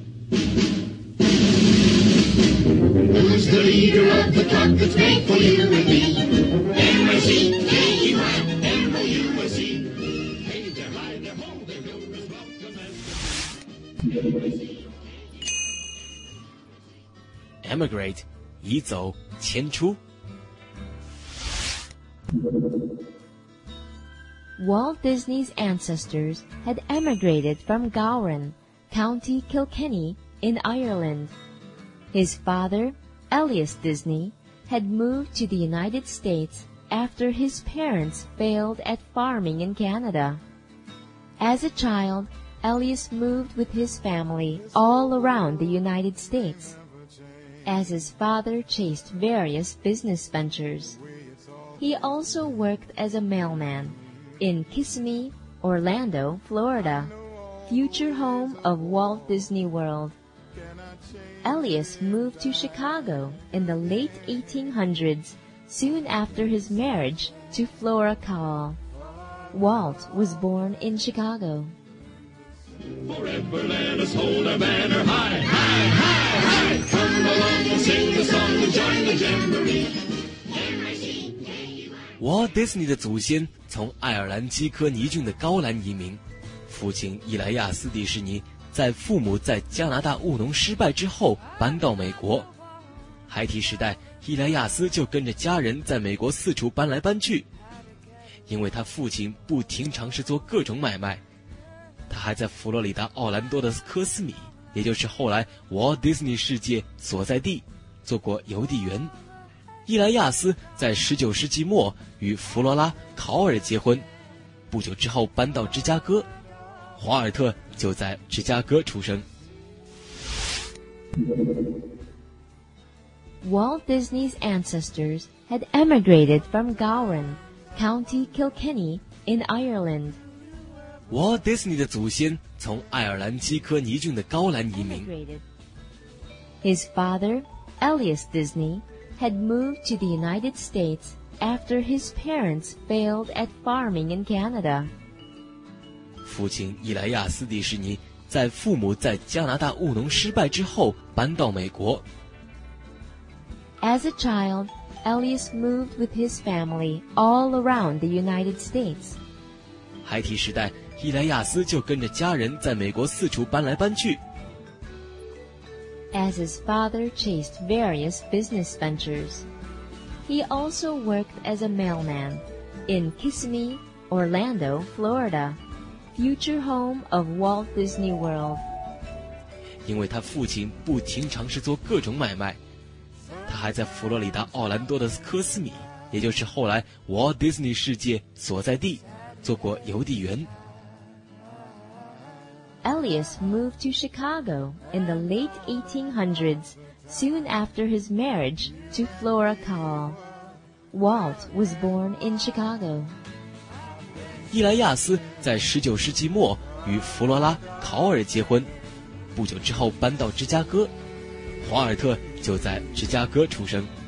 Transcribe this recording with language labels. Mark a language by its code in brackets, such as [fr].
[en] Who's the leader of the clock that's made for you and me? M-I-C, M-U-I, M-U-I-C. Hey there, hi there, ho there, yo, there's welcome and... [zh] Emigrate， 移走，迁出。 [en] Walt Disney's ancestors had emigrated from Gowran, County Kilkenny, in Ireland. His father, Elias Disney, had moved to the United States after his parents failed at farming in Canada. As a child, Elias moved with his family all around the United States. As his father chased various business ventures. He also worked as a mailman in Kissimmee, Orlando, Florida, future home of Walt Disney World. Elias moved to Chicago in the late 1800s, soon after his marriage to Flora Cowell. Walt was born in Chicago. Forever let us hold our banner high, high, high, high! [zh] Walt Disney 的祖先从爱尔兰基科尼郡的高兰移民，父亲伊莱亚斯迪士尼在父母在加拿大务农失败之后搬到美国。孩提时代，伊莱亚斯就跟着家人在美国四处搬来搬去，因为他父亲不停尝试做各种买卖。他还在佛罗里达奥兰多的科斯米，也就是后来 Walt Disney 世界所在地，做过邮递员。伊莱亚斯在19世纪末与弗罗拉·考尔结婚，不久之后搬到芝加哥，华尔特就在芝加哥出生。 [en] Walt Disney's ancestors had emigrated from Gowran, County Kilkenny in Ireland. [zh] Walt Disney 的祖先从爱尔兰基科尼郡的高兰移民。 [en] His father, Elias Disney, had moved to the United States after his parents failed at farming in Canada. [zh] 父亲伊莱亚斯迪士尼在父母在加拿大务农失败之后搬到美国。 [en] As a child, Elias moved with his family all around the United States. [zh] 孩提时代，伊莱亚斯就跟着家人在美国四处搬来搬去。 [en] As his father chased various business ventures, he also worked as a mailman in Kissimmee, Orlando, Florida, future home of Walt Disney World. [zh] 因为他父亲不停尝试做各种买卖，他还在佛罗里达奥兰多的科斯米，也就是后来 Walt Disney 世界所在地，做过邮递员。 [en] Elias moved to Chicago in the late 1800s, soon after his marriage to Flora Cowell. Walt was born in Chicago. [zh] 伊莱亚斯在19世纪末与弗罗拉·考尔结婚，不久之后搬到芝加哥，华尔特就在芝加哥出生。